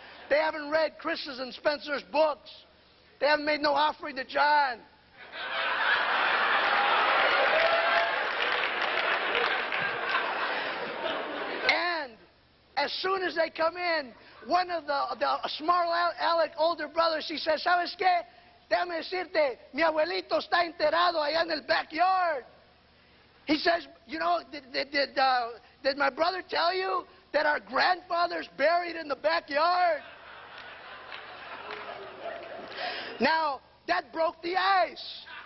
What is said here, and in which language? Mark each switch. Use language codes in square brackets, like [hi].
[en] They haven't read Chris's and Spencer's books. They haven't made no offering to John. And as soon as they come in, one of the smart aleck older brothers, he says, [es] ¿Sabes qué? Déjame decirte, mi abuelito está enterrado allá en el backyard. [en] He says, you know, did my brother tell you that our grandfather's buried in the backyard? Now, that broke the ice.